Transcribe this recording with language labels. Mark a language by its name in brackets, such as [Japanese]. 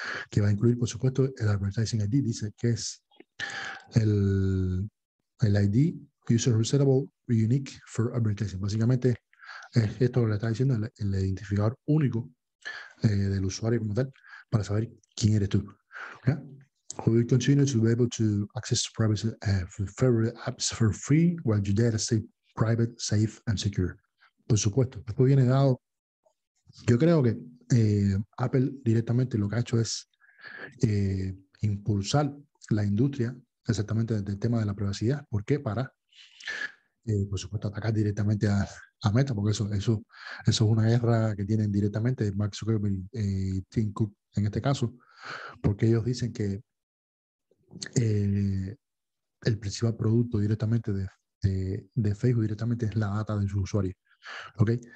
[Spanish] Que va a incluir, por supuesto, el Advertising ID. Dice que es el [English] ID User Resettable Unique for Advertising. [Spanish] Básicamente, Es esto lo que le está diciendo el identificador único del usuario como tal para saber quién eres tú. ¿Okay? [English] We continue to be able to access privacy favorite apps for free while your data stay private, safe and secure. [Spanish] Por supuesto, después viene dado. Yo creo que Apple directamente lo que ha hecho es impulsar la industria exactamente del tema de la privacidad. ¿Por qué? Para, por supuesto, atacar directamente a Meta, porque eso es una guerra que tienen directamente Mark Zuckerberg y Tim Cook en este caso, porque ellos dicen que el principal producto directamente de Facebook directamente es la data de sus usuarios. Okay.